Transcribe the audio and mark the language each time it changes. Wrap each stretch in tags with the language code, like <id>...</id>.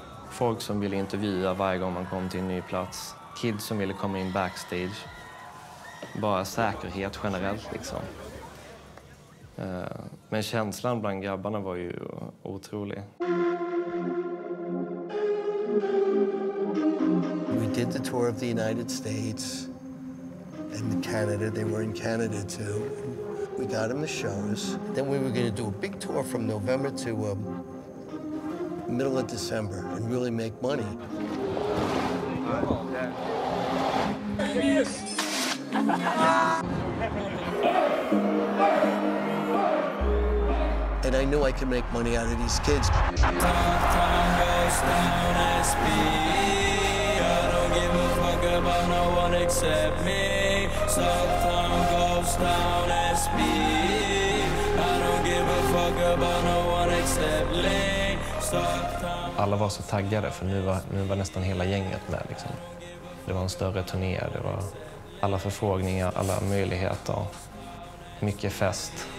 <sv>Folk som ville intervjua varje gång man kom till en ny plats. Kids som ville komma in backstage. Bara säkerhet generellt liksom. Men känslan bland grabbarna var ju otrolig.</sv> <en>Did the tour of the United States and Canada. They were in Canada too. We got them the shows. Then we were going to do a big tour from November to middle of December and really make money. And I knew I could make money out of these kids. Time goes down at speed. But no one except me. So time goes down at speed. I don't give a fuck about no one except me.</en> <sv>Alla var så taggade, för nu var nästan hela gänget med liksom. Det var en större turné, det var alla förfrågningar, alla möjligheter. Mycket fest.</sv>